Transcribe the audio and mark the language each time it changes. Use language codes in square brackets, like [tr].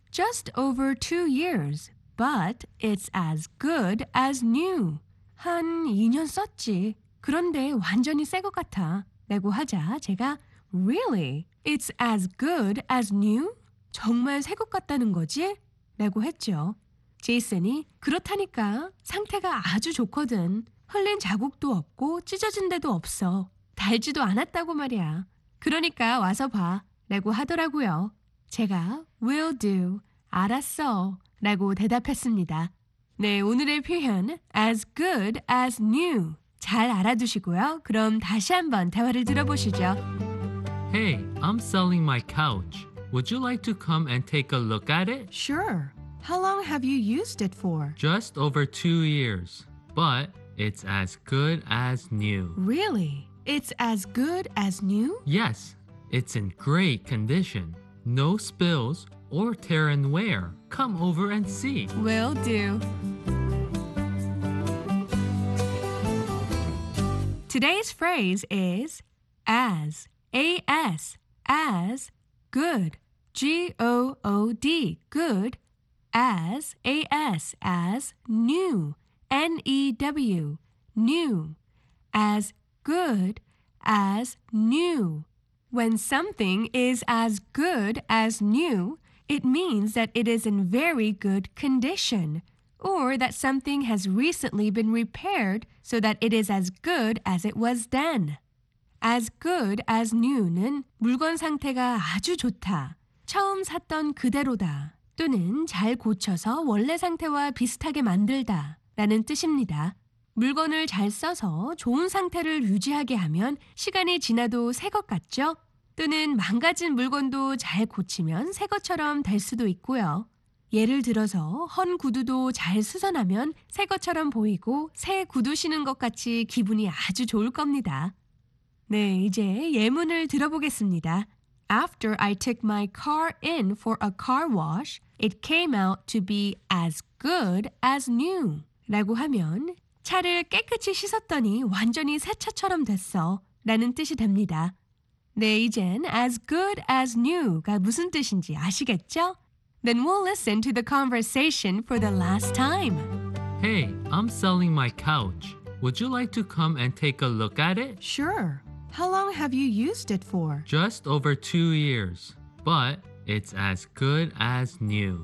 [en] Just over 2 years, but it's as good as new. [ko] 한 2년 썼지. 그런데 완전히 새 것 같아. 라고 하자 제가 [en] Really? It's as good as new? [ko] 정말 새 것 같다는 거지? 라고 했죠. 제이슨이 그렇다니까 상태가 아주 좋거든. 흘린 자국도 없고 찢어진 데도 없어. 달지도 않았다고 말이야. 그러니까 와서 봐. 라고 하더라고요. 제가 [en] Will do. [ko] 알았어. 라고 대답했습니다. 네, 오늘의 표현 [en] As good as new. [ko] 잘 알아두시고요. 그럼 다시 한번 대화를 들어보시죠. [en] Hey, I'm selling my couch. Would you like to come and take a look at it? Sure. How long have you used it for? Just over 2 years. But it's as good as new. Really? It's as good as new? Yes. It's in great condition. No spills or tear and wear. Come over and see. Will do. Today's phrase is as. A-S. As. Good. G-O-O-D. Good. As. A-S. As. New. N-E-W. New. As good as new. When something is as good as new, it means that it is in very good condition, or that something has recently been repaired so that it is as good as it was then. [ko] As good as new는 물건 상태가 아주 좋다, 처음 샀던 그대로다, 또는 잘 고쳐서 원래 상태와 비슷하게 만들다 라는 뜻입니다. 물건을 잘 써서 좋은 상태를 유지하게 하면 시간이 지나도 새 것 같죠? 또는 망가진 물건도 잘 고치면 새 것처럼 될 수도 있고요. 예를 들어서 헌 구두도 잘 수선하면 새 것처럼 보이고 새 구두 신은 것 같이 기분이 아주 좋을 겁니다. 네, 이제 예문을 들어보겠습니다. [en] After I took my car in for a car wash, it came out to be as good as new. [ko] 라고 하면 차를 깨끗이 씻었더니 완전히 새 차처럼 됐어 라는 뜻이 됩니다. 네, 이젠 as good as new가 무슨 뜻인지 아시겠죠? [en] Then we'll listen to the conversation for the last time. Hey, I'm selling my couch. Would you like to come and take a look at it? Sure. How long have you used it for? Just over 2 years. But it's as good as new.